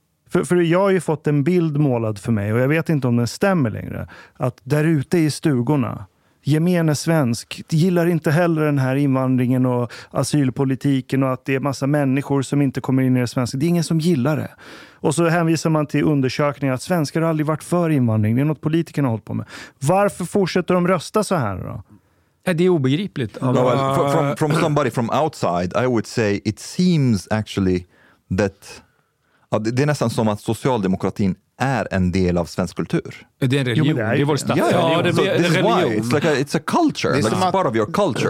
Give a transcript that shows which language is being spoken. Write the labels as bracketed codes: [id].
[sv] För jag har ju fått en bild målad för mig, och jag vet inte om den stämmer längre, att där ute i stugorna, gemene svensk, gillar inte heller den här invandringen och asylpolitiken och att det är massa människor som inte kommer in i det svenska. Det är ingen som gillar det. Och så hänvisar man till undersökningar att svenskar har aldrig varit för invandring. Det är något politikerna har hållit på med. Varför fortsätter de rösta så här då? Det är obegripligt. [en] From somebody from outside, I would say it seems actually that... [sv] Det är nästan som att socialdemokratin är en del av svensk kultur. Det är en religion. Jo, det är vår statsreligion. Ja, det är en religion. [en] It's like it's a culture. [sv] Det är [en] like, it's part of your culture.